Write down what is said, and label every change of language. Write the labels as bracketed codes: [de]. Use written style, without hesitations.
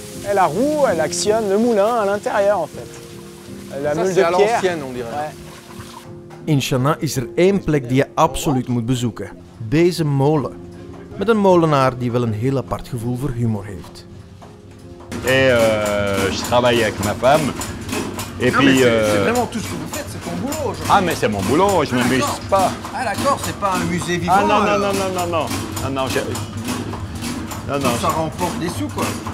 [fr] Et la roue, elle actionne le moulin à l'intérieur, en fait. La ça, c'est à l'ancienne, on dirait. Ouais. [nl] In Chana is er één plek die je absoluut moet bezoeken. Deze molen. Met een molenaar die wel een heel apart gevoel voor humor heeft. [fr] Et je travaille avec ma femme. Et non, puis mais c'est vraiment tout ce que vous faites, c'est ton boulot aujourd'hui. Ah mais c'est mon boulot, je m'amuse pas. Ah d'accord, c'est pas un musée vivant. Ah non. Ça remporte des sous quoi.